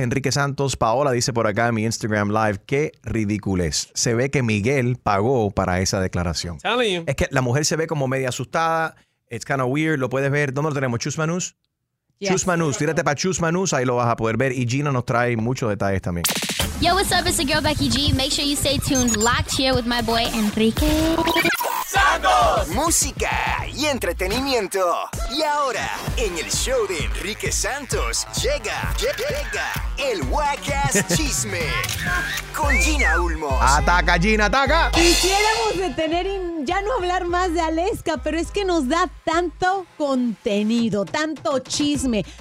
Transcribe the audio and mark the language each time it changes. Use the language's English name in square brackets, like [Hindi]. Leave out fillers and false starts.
[Spanish] Enrique Santos, Paola dice por acá en mi Instagram Live, qué ridiculez. Se ve que Miguel pagó para esa declaración. Es que la mujer se ve como media asustada. [English] It's kind of weird. [Spanish] Lo puedes ver. ¿Dónde lo tenemos? Chusma News. Yes. Chusma News, tírate para Chusma News, ahí lo vas a poder ver. Y Gina nos trae muchos detalles también. [English] Yo, what's up? It's the girl Becky G. Make sure you stay tuned, locked here with my boy Enrique [Spanish] Santos. Música y entretenimiento. Y ahora, en el show de Enrique Santos, llega el Wackass Chisme con Gina Ulmos. Ataca, Gina, ataca. Quisiéramos detener y ya no hablar más de Aleska, pero es que nos da tanto contenido, tanto chisme.